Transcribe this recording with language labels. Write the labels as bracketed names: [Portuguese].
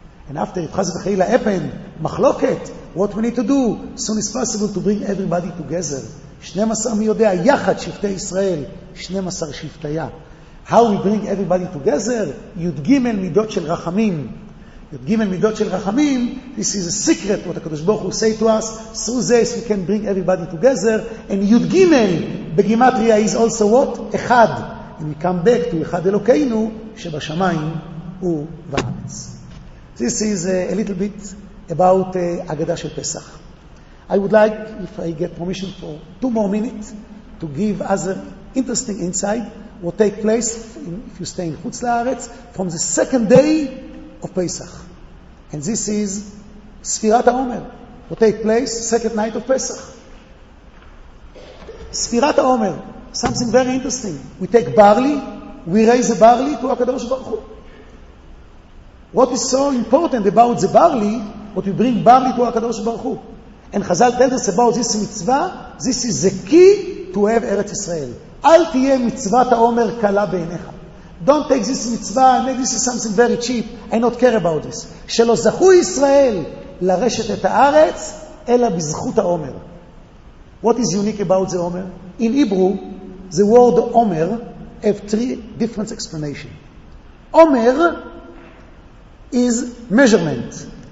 [English] And after it has happened, מחלוקת, what we need to do? Soon it's possible to bring everybody together. [Hebrew] 12 מי יודע, יחד שבטי ישראל, 12 שבטיה. [English] How we bring everybody together? [Hebrew] י' ג' מידות של רחמים. י"ג מידות של רחמים, [English] this is a secret what הקדוש ברוך הוא say to us, through this we can bring everybody together, and י"ג בגימטריה is also what? אחד. And we come back to [Hebrew] אחד אלוקינו שבשמיים הוא בארץ. [English] This is a little bit about אגדה של פסח. I would like, if I get permission for two more minutes, to give other interesting insight what take place if you stay in Chutz La'aretz from the second day of Pesach. And this is Sfirat HaOmer, what take place second night of Pesach. Sfirat HaOmer, something very interesting. We take barley, we raise the barley to HaKadosh Baruch Hu. What is so important about the barley, what we bring barley to HaKadosh Baruch Hu. And Chazal tells us about this mitzvah, this is the key to have Eretz Yisrael. [Hebrew] אל תהיה מצוות העומר קלה בעיניך. [English] Don't take this mitzvah, maybe this is something very cheap, I don't care about this. [Hebrew] שלא זכו ישראל לרשת את הארץ, אלא בזכות העומר. [English] What is unique about the עומר? In Hebrew, the word עומר have three different explanations. עומר is measurement.